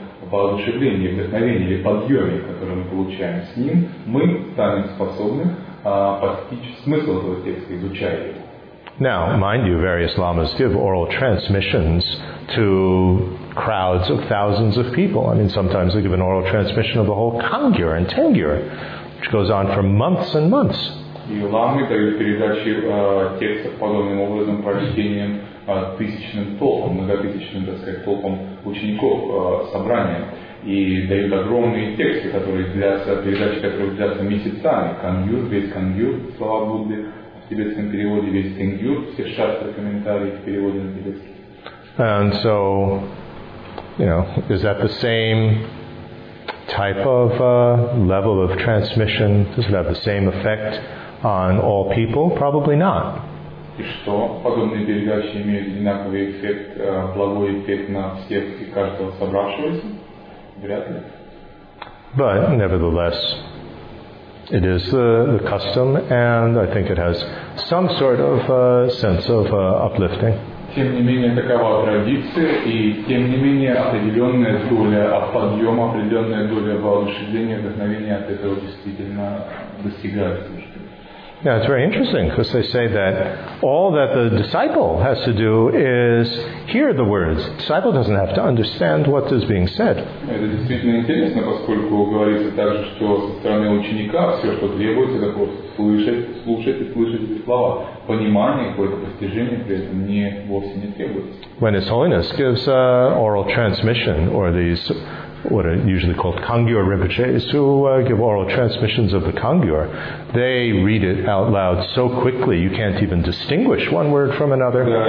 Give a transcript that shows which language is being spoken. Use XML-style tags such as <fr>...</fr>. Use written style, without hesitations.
<ru>Воодушевление, вдохновение или подъеме, которое мы получаем с ним, мы станем способны постичь смысл этого текста, изучая его.</ru> <en>Now, mind you, various lamas give oral transmissions to crowds of thousands of people. I mean, sometimes they give an oral transmission of the whole kangyur and tengyur, which goes on for months and months.</en> <ru>И ламы дают передачи текста подобным образом прочтением. Тысячным толпам, многотысячным, так сказать, толпам учеников собрания и дают огромные тексты, которые длятся, передачи, которые длятся месяцами. Кангюр, весь кангюр, слова Будды в тибетском переводе, весь тенгюр, все шастры, комментарии в переводе на тибетский.</ru> <en>And so, you know, is that the same type of level of transmission? Does it have the same effect on all people? Probably not.</en> <ru>И что подобные передачи имеют одинаковый эффект, благой эффект на всех и каждого собравшегося? Вряд ли.</ru> <en>But nevertheless, it is the custom, and I think it has some sort of sense of uplifting.</en> <ru>Тем не менее, такова традиция, и тем не менее, определенная доля подъема, определенная доля воодушевления, вдохновения от этого действительно достигается уже.</ru> <en>Yeah, it's very interesting because they say that all that the disciple has to do is hear the words. The disciple doesn't have to understand what is being said.</en> <ru>Это действительно интересно, поскольку говорится также, что со стороны ученика все, что требуется, это просто слушать эти слова. Понимание, какое-то постижение при этом вовсе не требуется.</ru> <en>When His Holiness gives oral transmission or these what are usually called Kangyur Rinpoches, who give oral transmissions of the Kangyur, they read it out loud so quickly you can't even distinguish one word from another.</en>